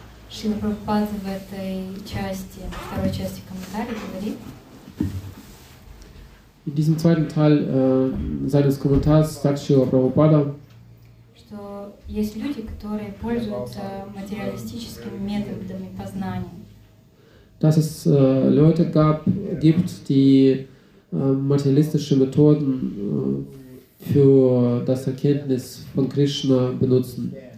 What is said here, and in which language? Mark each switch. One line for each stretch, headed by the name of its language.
Russian: Шрила Прабхупада в этой части, второй части комментария говорит.
German: In diesem zweiten Teil seines Kommentars sagt Шрила Прабхупада,
Russian: что есть люди, которые пользуются материалистическими методами познания.
German: Dass es Leute gibt, die materialistische Methoden für das Erkenntnis von Krishna benutzen.